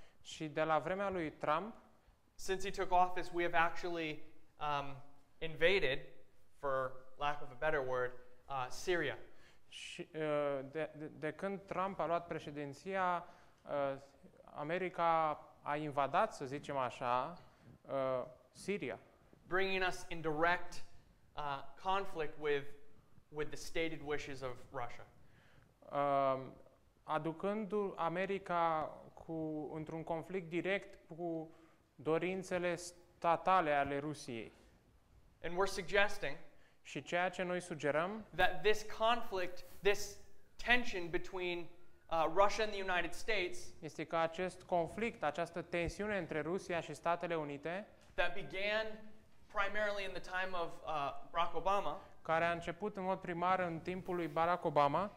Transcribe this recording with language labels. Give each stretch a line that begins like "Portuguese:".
Romanian: și de la vremea lui Trump,
English: since he took office, we have actually invaded, for lack of a better word, Syria.
Romanian: Și de când Trump a luat președinția, America a invadat, să zicem așa, Siria.
English: Bringing us in direct conflict with the stated wishes of Russia.
Romanian: Aducându-l America cu într-un conflict direct cu dorințele statale ale Rusiei.
English: And we're suggesting,
Romanian: și ceea ce noi sugerăm,
English: that this conflict, this tension between Russia and the United States,
Romanian: este că acest conflict, această tensiune între Rusia și Statele Unite,
English: that began primarily in the time of Barack Obama,
Romanian: care a început în mod primar în timpul lui Barack Obama,